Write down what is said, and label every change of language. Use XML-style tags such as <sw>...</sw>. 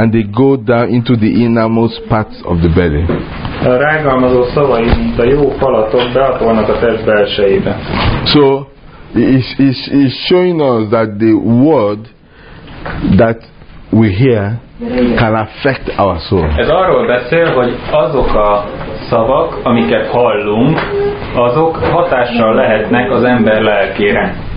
<en>And they go down into the innermost parts of the belly.</en> <hu>A rágalmazó szavai, mint a jó falatok, beatolnak a test belsejébe.</hu> <en>So, it's showing us that the word that we hear can affect our soul.</en> <hu>Ez arról beszél, hogy azok a szavak, amiket hallunk, azok hatással lehetnek az ember lelkére.</hu>